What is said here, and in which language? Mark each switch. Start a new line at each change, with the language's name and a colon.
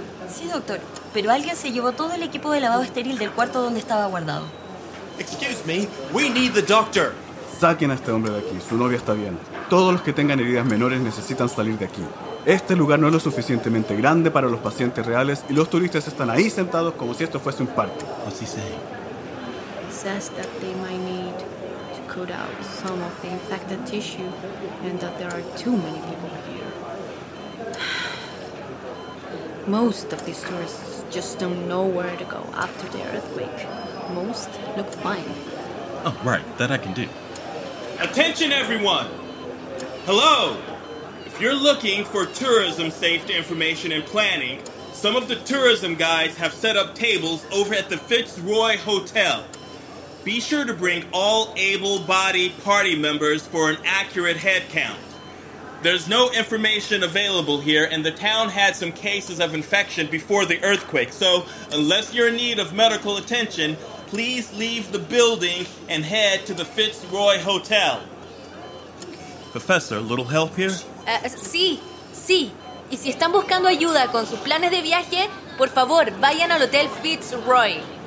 Spanish: Sí, doctor, pero alguien se llevó todo el equipo de lavado estéril del cuarto donde estaba guardado.
English: Excuse me, we need the doctor.
Spanish: Saquen a este hombre de aquí, su novia está bien. Todos los que tengan heridas menores necesitan salir de aquí. Este lugar no es lo suficientemente grande para los pacientes reales y los turistas están ahí sentados como si esto fuese un parque. ¿Qué dice?
English: Says that they might need to cut out some of the infected tissue and that there are too many people here. Most of these tourists just don't know where to go after the earthquake. Most look fine. Oh, right. That I can do. Attention, everyone! Hello! If you're looking for tourism safety information and planning, some of the tourism guys have set up tables over at the Fitzroy Hotel. Be sure to bring all able-bodied party members for an accurate head count. There's no information available here, and the town had some cases of infection before the earthquake, so unless you're in need of medical attention, please leave the building and head to the Fitzroy Hotel. Professor, a little help here?
Spanish: Sí. Y si están buscando ayuda con sus planes de viaje, por favor, vayan al Hotel Fitzroy.